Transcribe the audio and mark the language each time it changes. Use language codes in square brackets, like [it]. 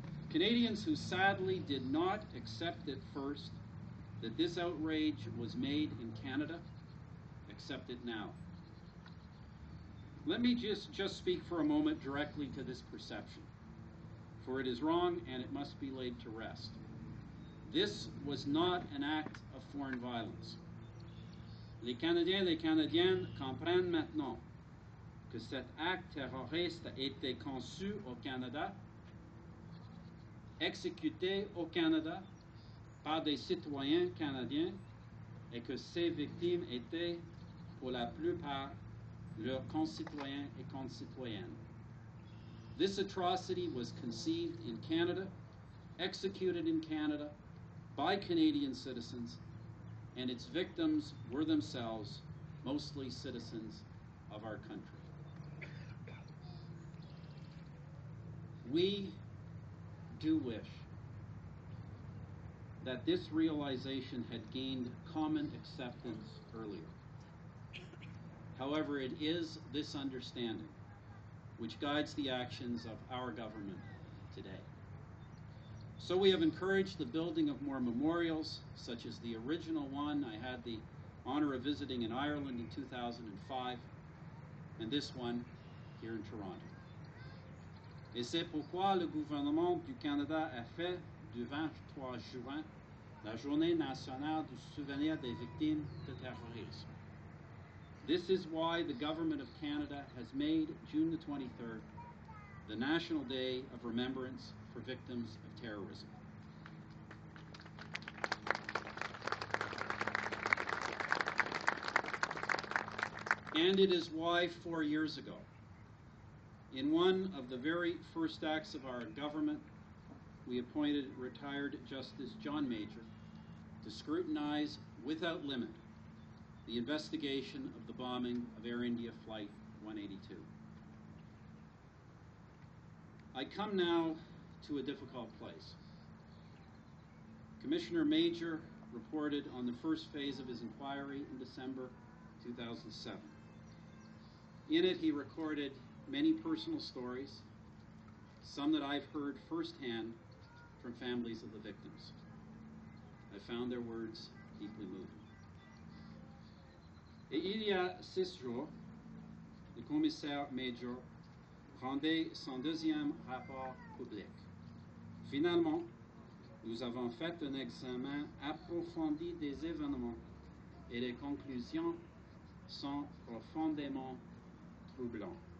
[en] Canadians who sadly did not accept at first that this outrage was made in Canada, accept it now. Let me just speak for a moment directly to this perception, for it is wrong and it must be laid to rest. This was not an act of foreign violence. [fr] Les Canadiens comprennent maintenant que cet acte terroriste a été conçu au Canada, exécuté au Canada par des citoyens canadiens et que ses victimes étaient pour la plupart leurs concitoyens et concitoyennes. [en] This atrocity was conceived in Canada, executed in Canada by Canadian citizens, and its victims were themselves mostly citizens of our country. We do wish that this realization had gained common acceptance earlier. However, it is this understanding which guides the actions of our government today. So we have encouraged the building of more memorials, such as the original one I had the honor of visiting in Ireland in 2005, and this one here in Toronto. [fr] Et c'est pourquoi le gouvernement du Canada a fait du 23 juin la Journée nationale du souvenir des victimes de terrorisme. [en] This is why the government of Canada has made June the 23rd the National Day of Remembrance for Victims of Terrorism. And it is why 4 years ago, in one of the very first acts of our government, we appointed retired Justice John Major to scrutinize without limit the investigation of the bombing of Air India Flight 182. I come now to a difficult place. Commissioner Major reported on the first phase of his inquiry in December 2007. In it, he recorded many personal stories, some that I've heard firsthand from families of the victims. I found their words deeply moving. [fr] Et il y a 6 jours, le commissaire major rendait son deuxième rapport public. Finalement, nous avons fait un examen approfondi des événements et les conclusions sont profondément troublantes.